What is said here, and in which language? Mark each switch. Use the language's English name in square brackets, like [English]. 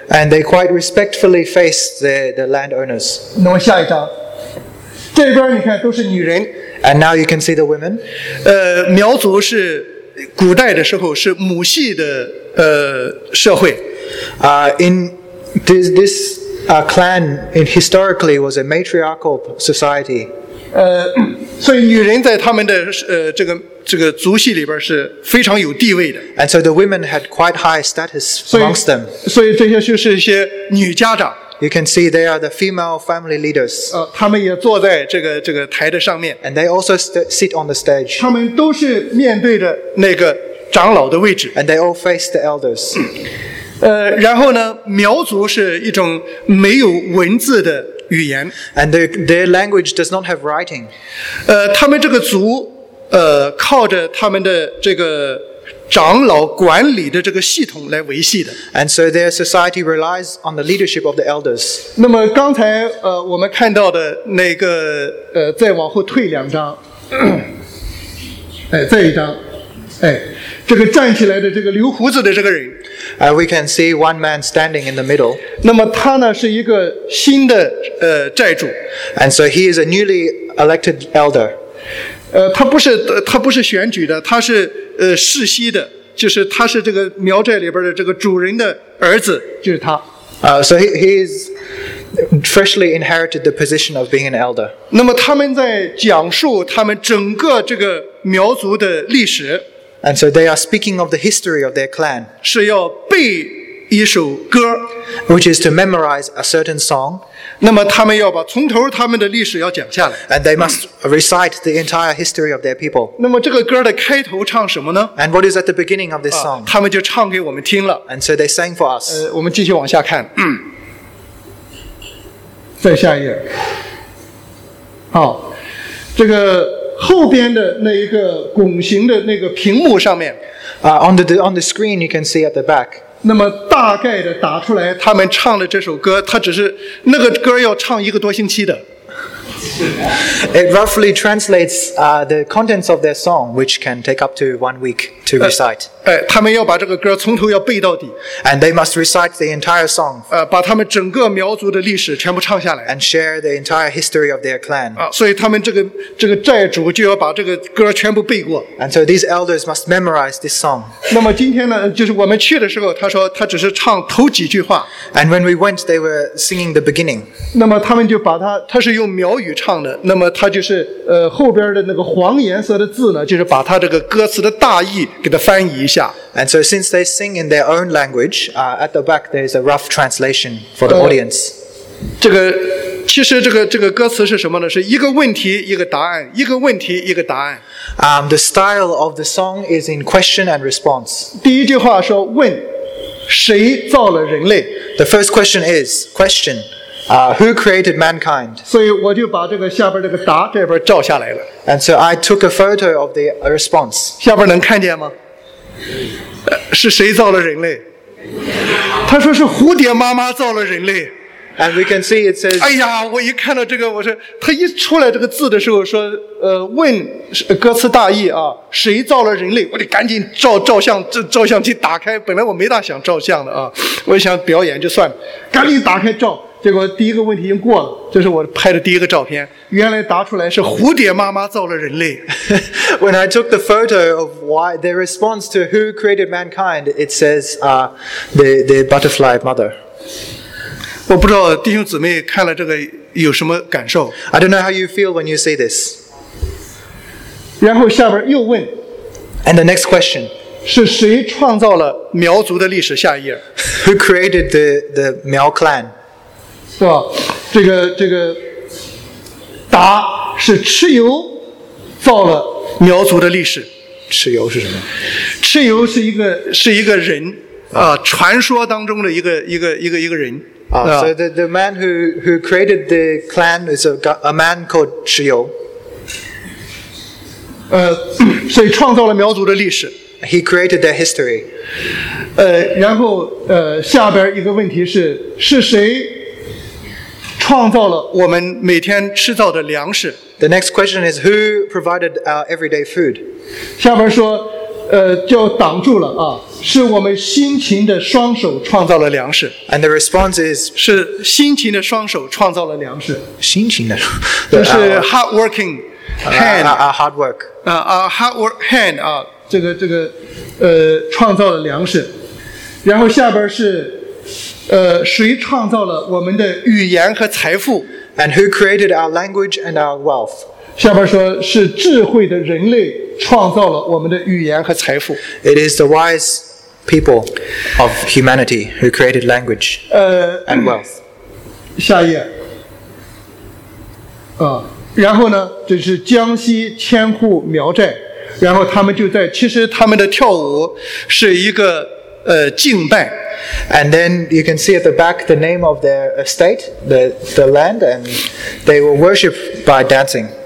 [English] And they quite respectfully face the landowners. [Chinese] 那么下一张。这边你看都是女人。 [English] And now you can see the women. [Chinese] 苗族是古代的时候是母系的社会。 [English] In this clan historically was a matriarchal society. [Chinese] 所以女人在他们的这个族系里边是非常有地位的。 [English] And so the women had quite high status amongst them. [Chinese] 所以这些就是一些女家长。 [English] You can see they are the female family leaders. [Chinese] 他们也坐在这个台的上面。 [English] And they also sit on the stage. [Chinese] 他们都是面对着那个长老的位置。 [English] And they all face the elders. [Chinese] 然后呢，苗族是一种没有文字的语言。 [English] And their language does not have writing. [Chinese] 他们这个族，靠着他们的这个长老管理的这个系统来维系的。 [English] And so their society relies on the leadership of the elders. [Chinese] 那么刚才我们看到的那个再往后退两张，再一张，这个站起来的这个留胡子的这个人。 [English] We can see one man standing in the middle. [Chinese] 那么他呢是一个新的寨主。 [English] And so he is a newly elected elder. [Chinese] 他不是选举的，他是世袭的，就是他是这个苗寨里边的这个主人的儿子，就是他。 [English] So he is freshly inherited the position of being an elder. [Chinese] 那么他们在讲述他们整个这个苗族的历史。 [English] And so they are speaking of the history of their clan. [Chinese] 是要背一首歌。 [English] Which is to memorize a certain song. [Chinese] 那么他们要把从头他们的历史要讲下来。 [English] And they must recite the entire history of their people. [Chinese] 那么这个歌的开头唱什么呢？ [English] And what is at the beginning of this song? [Chinese] 他们就唱给我们听了。 [English] And so they sang for us. [Chinese] 我们继续往下看。再下一页。好，这个后边的那一个拱形的那个屏幕上面。 [English] On the screen you can see at the back. [Chinese] 那么大概的打出来，他们唱了这首歌，他只是那个歌要唱一个多星期的。 [English] It roughly translates the contents of their song, which can take up to 1 week to recite. [Chinese] 他们要把这个歌从头要背到底。 [English] And they must recite the entire song. [Chinese] 把他们整个苗族的历史全部唱下来。 [English] And share the entire history of their clan. [Chinese] 所以他们这个寨主就要把这个歌全部背过。 [English] And so these elders must memorize this song. [Chinese] 那么今天呢，就是我们去的时候，他说他只是唱头几句话。 [English] And when we went, they were singing the beginning. [Chinese] 那么他们就把他是用苗语唱的，那么他就是后边的那个黄颜色的字呢，就是把他这个歌词的大意给他翻译一下。 [English] And so since they sing in their own language, at the back there is a rough translation for the audience. [Chinese] 这个其实这个歌词是什么呢？是一个问题一个答案，一个问题一个答案。 [English] The style of the song is in question and response. [Chinese] 第一句话说问谁造了人类。 [English] The first question is question. Who created mankind? [Chinese] 所以我就把这个下边这个答这边照下来了。 [English] And so I took a photo of the response. [Chinese] 下边能看见吗？是谁造了人类？他说是蝴蝶妈妈造了人类。 [English] And we can see it says. [Chinese] 哎呀，我一看到这个，我说他一出来这个字的时候说，问歌词大意啊，谁造了人类？我得赶紧照相，照相机打开。本来我没大想照相的啊，我想表演就算了，赶紧打开照。结果第一个问题已经过了，这是我拍的第一个照片。原来答出来是蝴蝶妈妈造了人类。 [English] When I took the photo of why the response to who created mankind, it says, the butterfly mother. [Chinese] 我不知道弟兄姊妹看了这个有什么感受。 [English] I don't know how you feel when you see this. [Chinese] 然后下边又问。 [English] And the next question. [Chinese] 是谁创造了苗族的历史？下一页。 [English] Who created the 苗 clan? [Chinese] 是吧？这个答是蚩尤造了苗族的历史。蚩尤是什么？蚩尤是一个人啊，传说当中的一个人。 [English] So the man who created the clan is a man called 蚩尤。 [Chinese] 所以创造了苗族的历史。 [English] He created their history. [Chinese] 然后下边一个问题是，是谁创造了我们每天吃到的粮食？ [English] The next question is who provided our everyday food? [Chinese] 下边说就挡住了啊，是我们辛勤的双手创造了粮食。 [English] And the response is [Chinese] 是辛勤的双手创造了粮食。辛勤的，这是 [English] hard working hand, our hard work, our hard work hand [Chinese] 啊，这个创造了粮食。然后下边是谁创造了我们的语言和财富？ [English] And who created our language and our wealth? [Chinese] 下边说是智慧的人类创造了我们的语言和财富。 [English] It is the wise people of humanity who created language and wealth. [Chinese] 下一页啊，然后呢，这是江西千户苗寨，然后他们就在，其实他们的跳舞是一个敬拜。 [English] And then you can see at the back the name of their estate, the land, and they were worshipped by dancing.